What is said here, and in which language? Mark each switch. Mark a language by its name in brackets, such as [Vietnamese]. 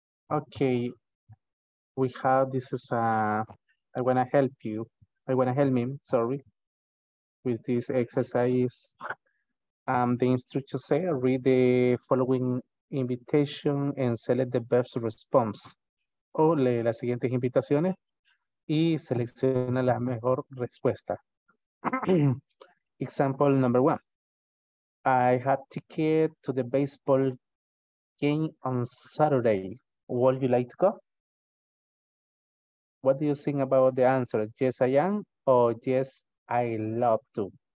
[English] Okay, we have, this is I want to help you, I want to help me, sorry, with this exercise. The instructor say, read the following invitation and select the best response. [Spanish] O lee las siguientes invitaciones y selecciona la mejor respuesta. [English] Example number one. I had ticket to the baseball game on Saturday. Would you like to go? What do you think about the answer? Yes, I am, or yes, I love to?